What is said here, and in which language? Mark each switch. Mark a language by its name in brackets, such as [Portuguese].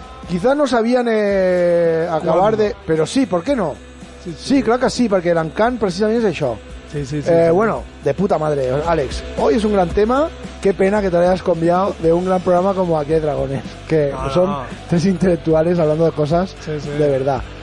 [Spanish] Quizá no sabían acabar de... Però sí, ¿por qué no? Sí, [Catalan] clar que sí, perquè l'encant precisament és això. Sí. [Spanish] Bueno, de puta madre, Àlex. Hoy es un gran tema. Qué pena que te hayas conviado de un gran programa como Aquí hay Dragones, que son tres intelectuales hablando de cosas de verdad.